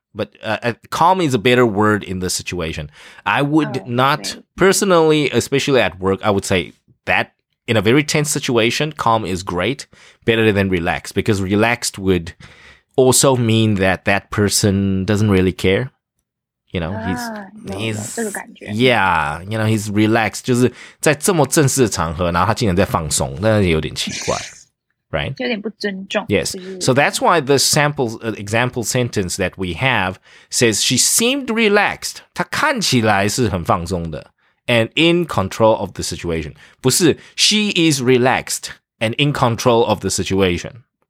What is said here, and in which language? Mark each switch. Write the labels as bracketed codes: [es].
[en] But calm is a better word in this situation. I would not personally, especially at work, I would say that in a very tense situation, calm is great, better than relaxed, because relaxed would also mean that that person doesn't really care. You know, he's relaxed. [zh] 就是在这么正式的场合，然后他竟然在放松，那有点奇怪。 [en] Right? [zh] 有点不尊重。 [en] Yes. So that's why the sample example sentence that we have says she seemed relaxed. [zh] 她看起来是很放松的 [en] and in control of the situation. [zh] 不是 [en] she is relaxed and in control of the situation.